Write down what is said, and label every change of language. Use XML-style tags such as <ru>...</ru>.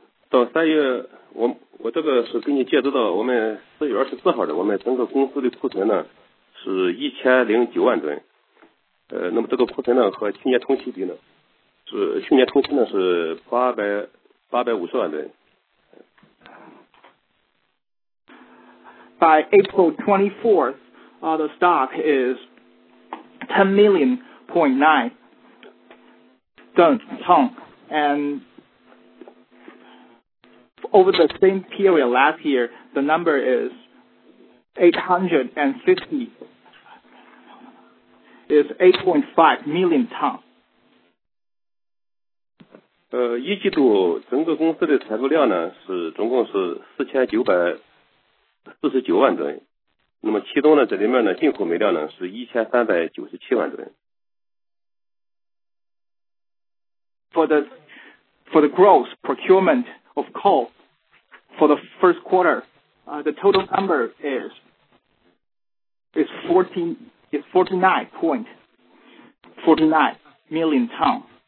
<zh>到三月，我这个是给你介绍到我们4月24号的，我们整个公司的库存呢。是1009万吨，那么这个库存呢和去年同期比呢，是去年同期呢是850万吨。</zh> <en>By April 24th, the stock is 10.9 million tons, and over the same period last year, the number is 850. is 8.5 million tons.</en> <zh>一季度整个公司的采购量呢是总共是4949万吨，那么其中呢这里面呢进口煤料呢是1397万吨。</zh> <en>For the gross procurement of coal for the first quarter, the total number is 49 million tons.</en>